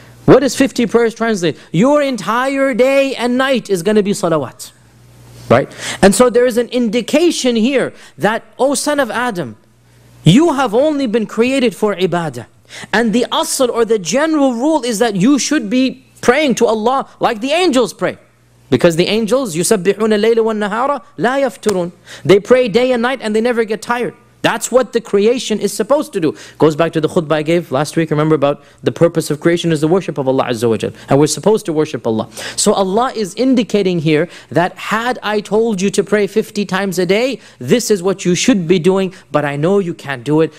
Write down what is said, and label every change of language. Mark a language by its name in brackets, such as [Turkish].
[English] What does 50 prayers translate? Your entire day and night is going to be salawat, Right? And so there is an indication here that, O son of Adam, you have only been created for ibadah. And the asl or the general rule is that you should be praying to Allah like the angels pray. Because the angels, [Arabic] يُسَبِّحُونَ اللَّيْلَ وَالنَّهَارَ لَا يَفْتُرُونَ. [English] They pray day and night and they never get tired. That's what the creation is supposed to do. Goes back to the khutbah I gave last week, remember, about the purpose of creation is the worship of Allah Azza wa Jal. And we're supposed to worship Allah. So Allah is indicating here that had I told you to pray 50 times a day, this is what you should be doing, but I know you can't do it.